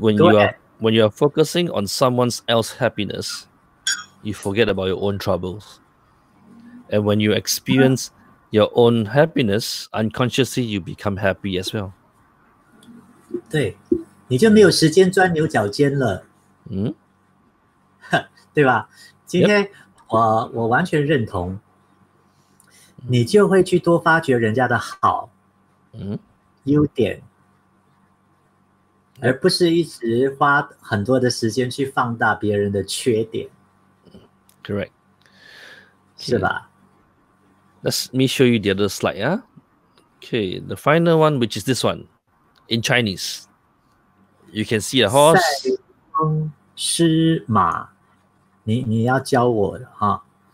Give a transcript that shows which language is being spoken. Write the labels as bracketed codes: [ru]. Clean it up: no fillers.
[en] when you are focusing on someone else's happiness, you forget about your own troubles. And when you experience your own happiness, unconsciously you become happy as well. [zh] 对，你就没有时间钻牛角尖了。嗯、mm? ，对吧？今天我完全认同。你就会去多发掘人家的好。嗯，优点，而不是一直花很多的时间去放大别人的缺点。 [en] Correct， [zh] 是吧 [en] ？Let me show you the other slide. Yeah. Okay, the final one, which is this one, in Chinese. You can see a horse. [zh] 塞翁失马，你要教我的哈。